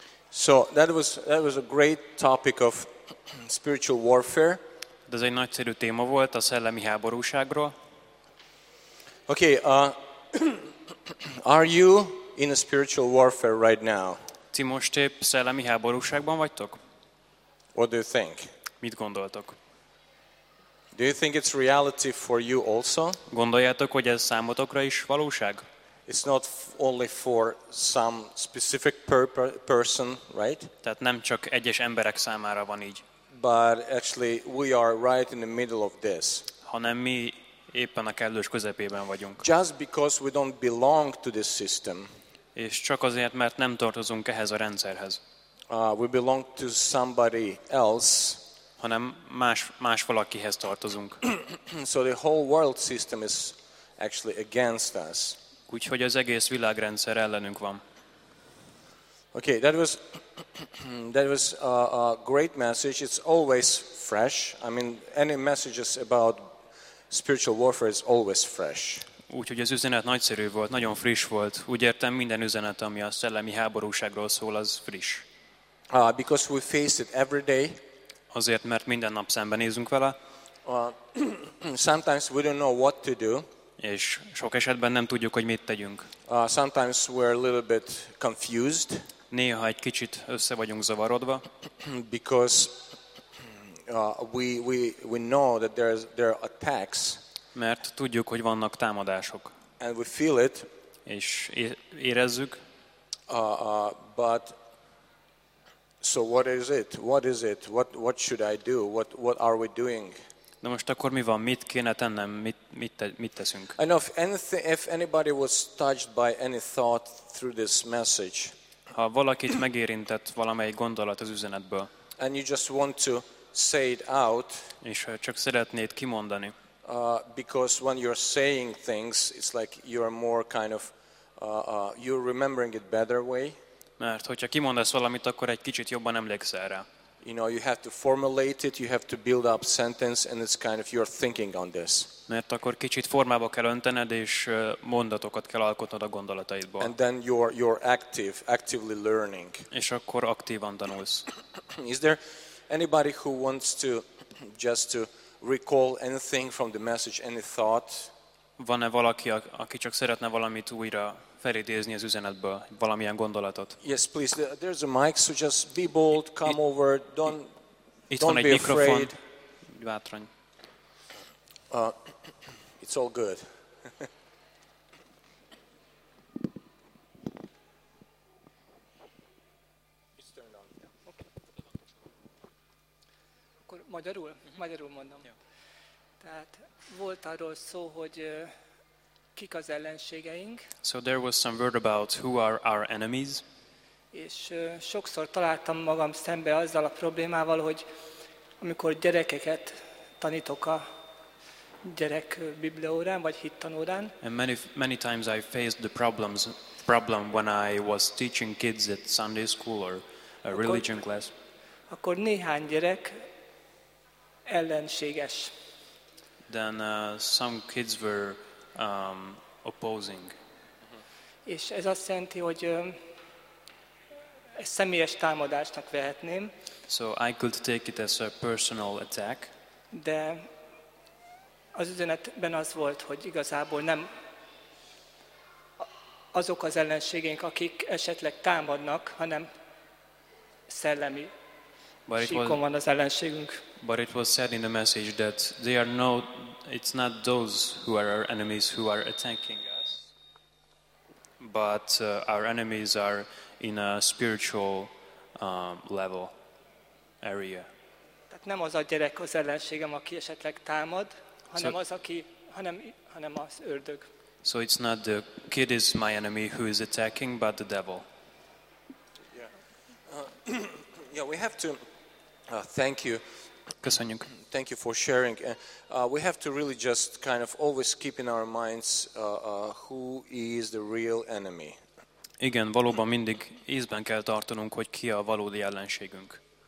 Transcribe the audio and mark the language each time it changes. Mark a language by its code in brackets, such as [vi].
[en] So that was a great topic of spiritual warfare. [hu] De ez egy nagyszerű téma volt a szellemi háborúságról. [en] Okay, are you in a spiritual warfare right now? [hu] Ti most épp szellemi háborúságban vagytok? [en] What do you think? [hu] Mit gondoltok? [en] Do you think it's reality for you also? [hu] Gondoljátok, hogy ez számotokra is valóság? [en] It's not only for some specific person, right? [hu] Tehát nem csak egyes emberek számára van így. [en] But actually we are right in the middle of this. [hu] Hanem mi éppen a kellős közepében vagyunk. [en] Just because we don't belong to this system. [hu] És csak azért, mert nem tartozunk ehhez a rendszerhez. [en] We belong to somebody else. [hu] Hanem más valakihez tartozunk. [en] So the whole world system is actually against us. [hu] Úgyhogy az egész világrendszer ellenünk van. [en] Okay, that was a great message. It's always fresh. I mean, any messages about spiritual warfare is always fresh. [hu] Úgyhogy az üzenet nagyszerű volt, nagyon friss volt. Úgy értem, minden üzenet, ami a szellemi háborúságról szól, az friss. [en] Because we face it every day. [hu] Azért, mert minden nap szembenézünk vele. [en] Sometimes we don't know what to do. [hu] És sok esetben nem tudjuk, hogy mit tegyünk. [en] Sometimes we're a little bit confused. [hu] Néha egy kicsit össze vagyunk zavarodva. [en] Because we know that there are attacks. [hu] Mert tudjuk, hogy vannak támadások. [en] And we feel it. [hu] És érezzük. [en] But so what is it? What should I do? What are we doing? [hu] Na most akkor mi van? Mit kéne tennem? Mit teszünk? [en] I know if anybody was touched by any thought through this message. [hu] Ha valakit megérintett valamelyik gondolat az üzenetből. [en] And you just want to say it out. [hu] És csak szeretnéd kimondani. [en] Because when you're saying things, it's like you're more kind of you're remembering it better way. [hu] Mert hogyha kimondasz valamit, akkor egy kicsit jobban emlékszel rá. [en] You know, you have to formulate it, you have to build up sentence, and it's kind of you're thinking on this. [hu] Mert akkor kicsit formába kell öntened, és mondatokat kell alkotnod a gondolataidból. [en] And then you're actively learning. [hu] És akkor aktívan tanulsz. [en] Is there anybody who wants to just to recall anything from the message, any thought? [hu] Van-e valaki, aki csak szeretne valamit újra felidézni az üzenetből, valamilyen gondolatot? [en] Yes, please. There's a mic, so just be bold, come over, don't be afraid. [hu] Bátran. [en] It's all good. It's turned on. [hu] Akkor magyarul? Magyarul mondom. Tehát volt arról szó, hogy kik az ellenségeink. [en] So there was some word about who are our enemies. [hu] És sokszor találtam magam szembe azzal a problémával, hogy amikor gyerekeket tanítok a gyerek bibliaórán vagy hittanórán. [en] And many times I faced the problem when I was teaching kids at Sunday school or a religion akkor, class. [hu] Akkor néhány gyerek ellenséges. [en] Then some kids were opposing. [hu] És ez azt jelenti, hogy ezt személyes támadásnak vehetném. [en] So I could take it as a personal attack. [hu] De az üzenetben az volt, hogy igazából nem azok az ellenségeink, akik esetleg támadnak, hanem szellemi síkon van az ellenségünk. [en] But it was said in the message that they are not, it's not those who are our enemies who are attacking us, but our enemies are in a spiritual level area. [hu] Tehát nem az a gyerek az ellenségem, aki esetleg támad, hanem so, az aki, hanem az ördög. [en] So it's not the kid is my enemy who is attacking, but the devil. Yeah. we have to thank you. [hu] Köszönjük. [en] Thank you for sharing. We have to really just kind of always keep in our minds who is the real enemy. [hu] Igen, valóban mindig észben kell tartanunk, hogy ki a valódi ellenségünk.